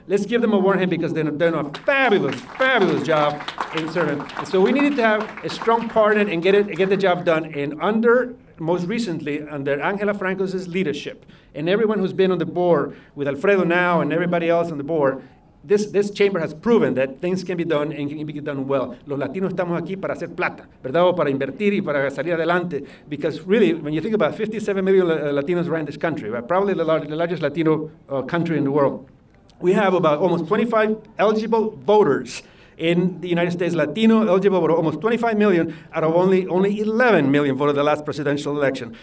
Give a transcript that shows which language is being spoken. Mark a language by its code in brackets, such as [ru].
[en] Let's give them a warm hand because they're doing a fabulous, fabulous job in serving. So we needed to have a strong partner and get the job done. And most recently, under Angela Franco's leadership and everyone who's been on the board with Alfredo now and everybody else on the board, this chamber has proven that things can be done and can be done well. [es] Los Latinos estamos aquí para hacer plata, ¿verdad? O para invertir y para salir adelante. [en] Because really, when you think about 57 million Latinos around this country, right? Probably the largest Latino country in the world. We have about almost 25 eligible voters in the United States, Latino eligible voter, almost 25 million out of only 11 million voted the last presidential election.